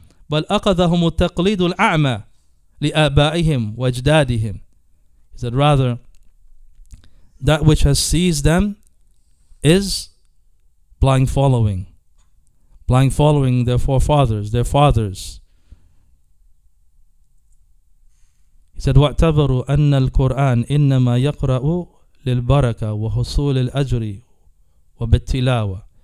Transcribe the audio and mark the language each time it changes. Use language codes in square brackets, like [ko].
[en] He said, [ar] بَلْ أَخَذَهُمُ التَّقْلِيدُ الْأَعْمَى لِأَبَائِهِمْ وَأَجْدَادِهِمْ. [en] He said, rather, that which has seized them is blind following. Blind following their forefathers, their fathers. He said, [ar] وَاَعْتَبَرُوا أَنَّ الْقُرْآنَ إِنَّمَا يَقْرَأُوا لِلْبَرَكَةِ وَحُصُولِ الْأَجْرِ وَبِالتِّلَاوَةِ.